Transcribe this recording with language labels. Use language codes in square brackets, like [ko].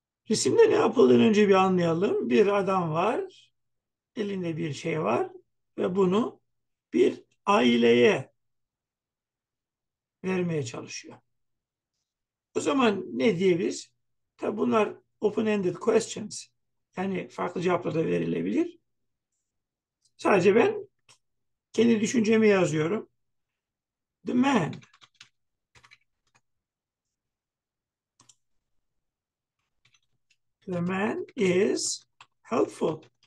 [tr] Resimde ne yapıldığını önce bir anlayalım. Bir adam var, elinde bir şey var ve bunu bir aileye vermeye çalışıyor. O zaman ne diyebiliriz? Tabi bunlar [en] open-ended questions. [tr] Yani farklı cevaplar da verilebilir. Sadece ben kendi düşüncemi yazıyorum. [en] The man is helpful.